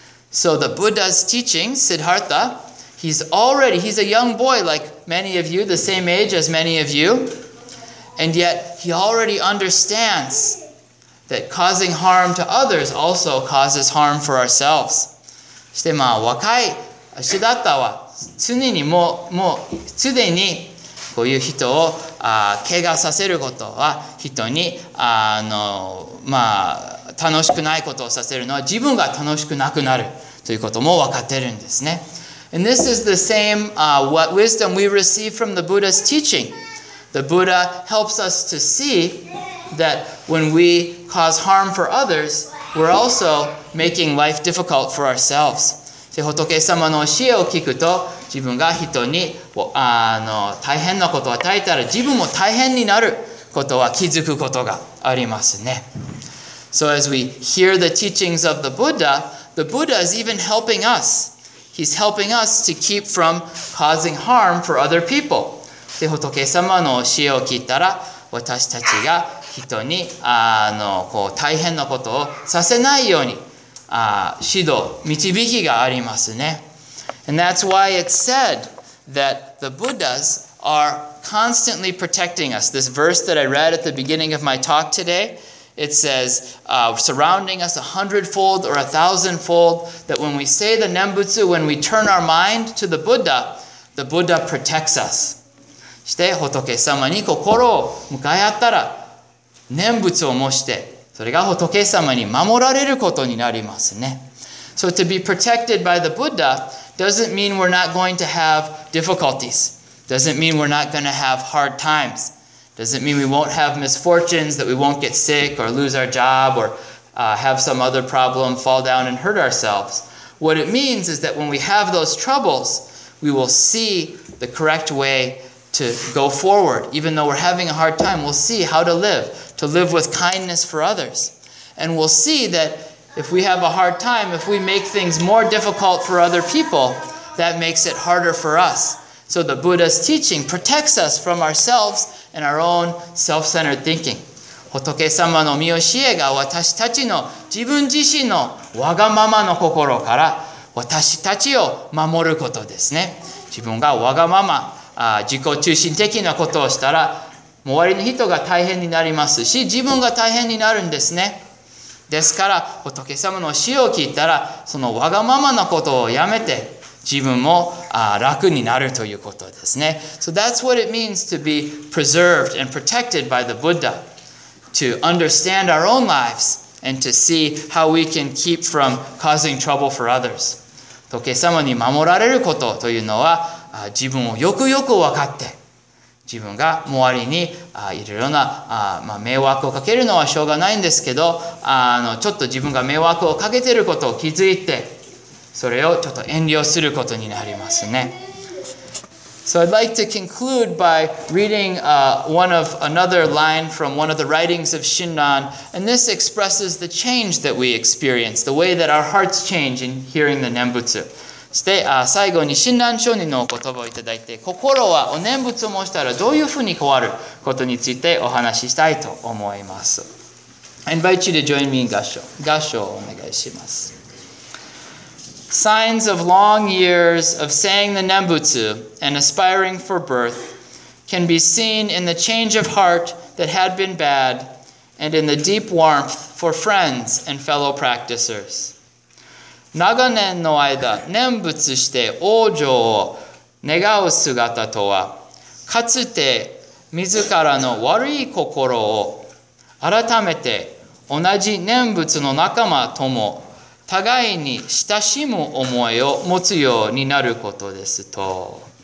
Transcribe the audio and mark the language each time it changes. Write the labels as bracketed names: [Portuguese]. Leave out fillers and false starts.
[English] So the Buddha's teaching, Siddhartha, he's a young boy like many of you, the same age as many of you, and yet he already understands... that causing harm to others also causes harm for ourselves. [Japanese] そしてまあ若いシダッタは常にもう既にこういう人を怪我させることは人にまあ楽しくないことをさせるのは自分が楽しくなくなるということも分かってるんですね。 [English] And this is the same what wisdom we receive from the Buddha's teaching. The Buddha helps us to see that when we cause harm for others, we're also making life difficult for ourselves. [Japanese] で、仏様の教えを聞くと、自分が人に大変なことを与えたら、自分も大変になることは気づくことがありますね。 [English] So as we hear the teachings of the Buddha is even helping us. He's helping us to keep from causing harm for other people. [Japanese] で、仏様の教えを聞いたら、私たちが人にこう大変なことをさせないように、指導、導きがありますね。 [English] And that's why it's said that the Buddhas are constantly protecting us. This verse that I read at the beginning of my talk today, it says, surrounding us 100-fold or 1,000-fold, that when we say the Nembutsu, when we turn our mind to the Buddha protects us. [Japanese] して仏様に心を向かい合ったら念仏を模してそれが仏様に守られることになりますね。 [English] So to be protected by the Buddha doesn't mean we're not going to have difficulties. Doesn't mean we're not going to have hard times. Doesn't mean we won't have misfortunes, that we won't get sick or lose our job or have some other problem, fall down and hurt ourselves. What it means is that when we have those troubles, we will see the correct way to go forward, even though we're having a hard time, we'll see how to live with kindness for others. And we'll see that if we have a hard time, if we make things more difficult for other people, that makes it harder for us. So the Buddha's teaching protects us from ourselves and our own self-centered thinking. [Japanese] 仏様の御教えが私たちの自分自身のわがままの心から私たちを守ることですね。自分がわがまま自己中心的なことをしたら周りの人が大変になりますし自分が大変になるんですね。ですから仏様の教えを聞いたらそのわがままなことをやめて自分も楽になるということですね。 [English] So that's what it means to be preserved and protected by the Buddha, to understand our own lives and to see how we can keep from causing trouble for others. [Japanese] 仏様に守られることというのは自分をよくよく分かって自分が周りにいろいろな迷惑をかけるのはしょうがないんですけどちょっと自分が迷惑をかけていることを気づいてそれをちょっと遠慮することになりますね。 [English] So I'd like to conclude by reading another line from one of the writings of Shinran, and this expresses the change that we experience, the way that our hearts change in hearing the Nembutsu. [Japanese] そして最後に親鸞聖人のお言葉をいただいて心はお念仏を申したらどういうふうに変わることについてお話ししたいと思います。 [English] I invite you to join me in 合唱。 [Japanese] 合唱をお願いします。 [English] Signs of long years of saying the Nembutsu and aspiring for birth can be seen in the change of heart that had been bad and in the deep warmth for friends and fellow practicers。 [Japanese] 長年の間、念仏して往生を願う姿とは、かつて自らの悪い心を改めて同じ念仏の仲間とも互いに親しむ思いを持つようになることですと。